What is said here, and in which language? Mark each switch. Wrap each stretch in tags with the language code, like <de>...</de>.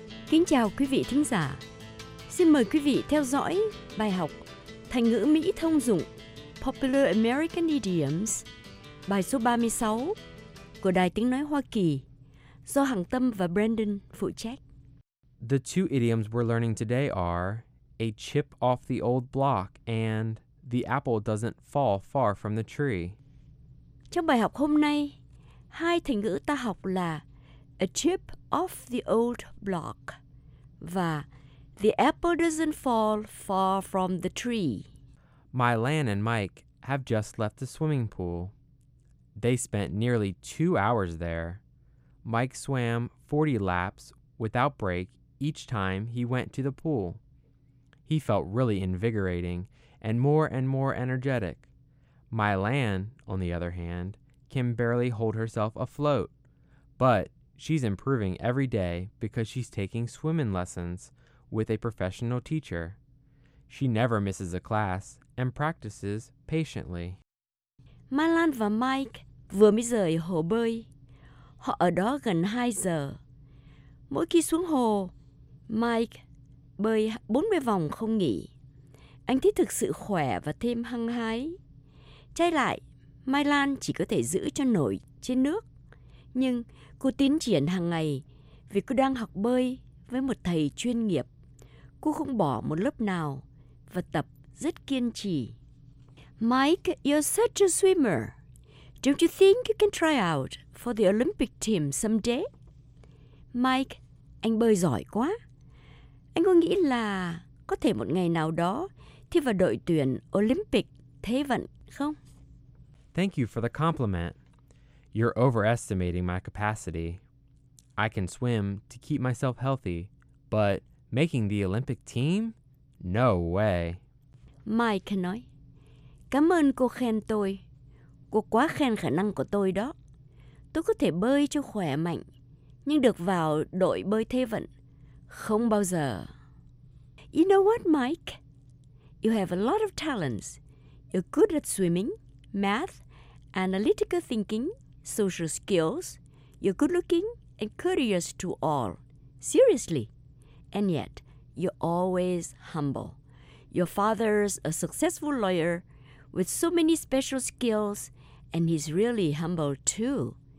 <vi>Kính chào quý vị thính giả. Xin mời quý vị theo dõi bài học thành ngữ Mỹ thông dụng Popular American Idioms, bài số 36 của Đài Tiếng Nói Hoa Kỳ, do Hằng Tâm và Brandon phụ trách.</vi> <en>The two idioms we're learning today are a chip off the old block and the apple doesn't fall far from the tree.</en> <vi>Trong bài học hôm nay, hai thành ngữ ta học là</vi> <en>a chip off the old block</en> <vi>và</vi> <en>the apple doesn't fall far from the tree. Mylan and Mike have just left the swimming pool. They spent nearly 2 hours there. Mike swam 40 laps without break each time he went to the pool. He felt really invigorating and more energetic. Mylan, on the other hand, can barely hold herself afloat. But she's improving every day because she's taking swimming lessons with a professional teacher. She never misses a class and practices patiently.</en> <vi>Mylan và Mike vừa mới rời hồ bơi. Họ ở đó gần 2 giờ. Mỗi khi xuống hồ, Mike bơi 40 vòng không nghỉ. Anh thấy thực sự khỏe và thêm hăng hái. Trái lại, Mylan chỉ có thể giữ cho nổi trên nước. Nhưng cô tiến triển hàng ngày vì cô đang học bơi với một thầy chuyên nghiệp. Cô không bỏ một lớp nào và tập rất kiên trì.</vi> <en>Mike, you're such a swimmer. Don't you think you can try out for the Olympic team someday?</en> <vi>Mike, anh bơi giỏi quá. Anh có nghĩ là có thể một ngày nào đó thi vào đội tuyển Olympic thế vận không?</vi> <en>Thank you for the compliment. You're overestimating my capacity. I can swim to keep myself healthy, but making the Olympic team? No way.</en> <vi>Mike nói, cảm ơn cô khen tôi. Cô quá khen khả năng của tôi đó. Tôi có thể bơi cho khỏe mạnh, nhưng được vào đội bơi thế vận, không bao giờ.</vi> <en>You know what, Mike? You have a lot of talents. You're good at swimming, math, analytical thinking, social skills. You're good looking and courteous to all. Seriously. And yet, you're always humble. Your father's a successful lawyer with so many special skills, and he's really humble too.</en>